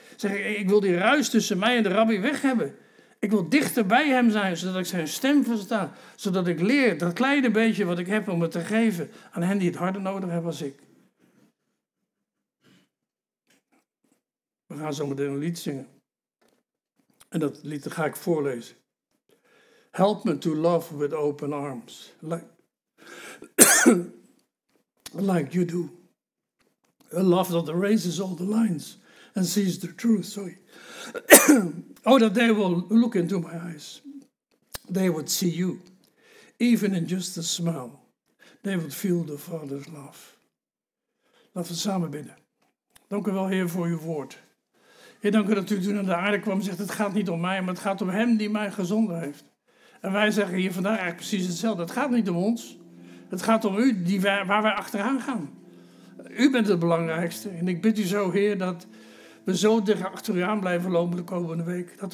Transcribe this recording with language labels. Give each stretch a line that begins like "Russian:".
Dutch: Zeg, ik wil die ruis tussen mij en de rabbi weg hebben. Ik wil dichter bij hem zijn, zodat ik zijn stem versta. Zodat ik leer dat kleine beetje wat ik heb om het te geven aan hen die het harder nodig hebben als ik. We gaan zo meteen een lied zingen. En dat lied ga ik voorlezen.
English: Help me to love with open arms. Like you do. A love that erases all the lines and sees the truth. Sorry. Oh, that they will look into my eyes. They would see you. Even in just a smile. They would feel the Father's love.
Dutch: Laten we samen bidden. Dank u wel, Heer, voor uw woord. Heer, dank u dat u toen naar de aarde kwam en zegt, het gaat niet om mij, maar het gaat om hem die mij gezonden heeft. En wij zeggen hier vandaag eigenlijk precies hetzelfde. Het gaat niet om ons. Het gaat om u, die wij, waar wij achteraan gaan. U bent het belangrijkste. En ik bid u zo, Heer, dat we zo dicht achter u aan blijven lopen de komende week.